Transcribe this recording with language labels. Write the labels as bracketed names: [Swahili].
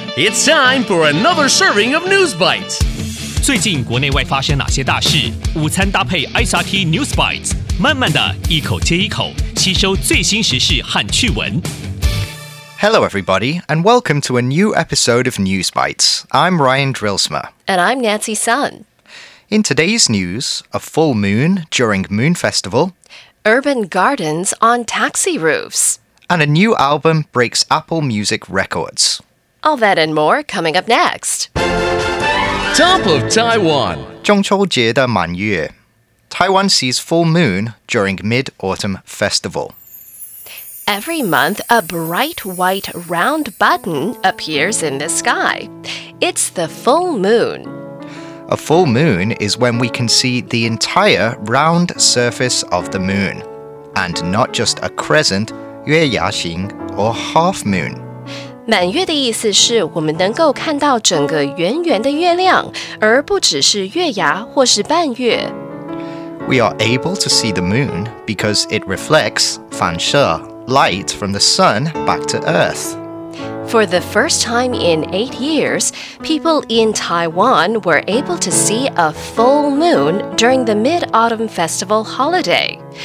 [English] It's time for another serving of News Bites. [Chinese] 最近国内外发生哪些大事？午餐搭配 SRT News Bites， 慢慢的一口接一口，吸收最新时事和趣闻。 [English] Hello, everybody, and welcome to a new episode of News Bites. I'm Ryan Drillsma. And I'm Nancy Sun. In today's news, a full moon during Moon Festival, urban gardens on taxi roofs, and a new album breaks Apple Music records. All that and more coming up next. Top of Taiwan. [Chinese] 中秋節的滿月. [English] Taiwan sees full moon during Mid-Autumn Festival. Every month, a bright white round button appears in the sky. It's the full moon. A full moon is when we can see the entire round surface of the moon, and not just a crescent, [Chinese] 月牙形, [English] or half moon. [Chinese] 满月的意思是我们能够看到整个圆圆的月亮，而不只是月牙或是半月。 [English] We are able to see the moon because it reflects, [Chinese] 反射, [English] light from the sun back to earth. For the first time in 8 years, people in Taiwan were able to see a full moon during the Mid-Autumn Festival holiday.